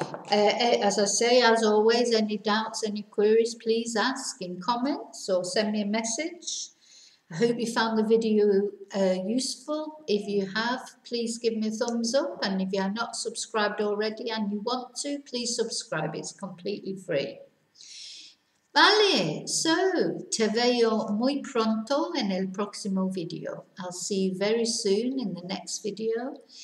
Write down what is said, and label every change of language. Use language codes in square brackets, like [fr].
[en] As I say, as always, any doubts, any queries, please ask in comments or send me a message. I hope you found the video useful. If you have, please give me a thumbs up. And if you are not subscribed already and you want to, please subscribe. It's completely free. [es] Vale, so te veo muy pronto en el próximo video. [en] I'll see you very soon in the next video.